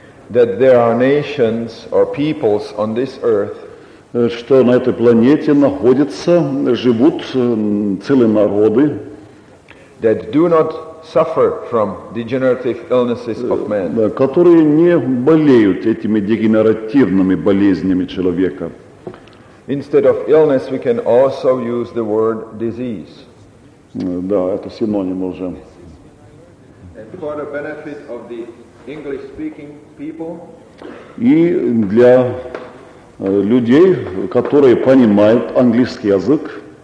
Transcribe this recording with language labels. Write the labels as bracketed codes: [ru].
[en] that there are nations or peoples on this earth, [ru] что на этой планете находятся, живут целые народы, [en] that do not suffer from degenerative illnesses of man, [ru] которые не болеют этими дегенеративными болезнями человека. [en] Instead of illness, we can also use the word disease. [ru] Да, это синоним уже. [en] And for the benefit of the English-speaking people. [ru] И для людей, которые понимают английский язык,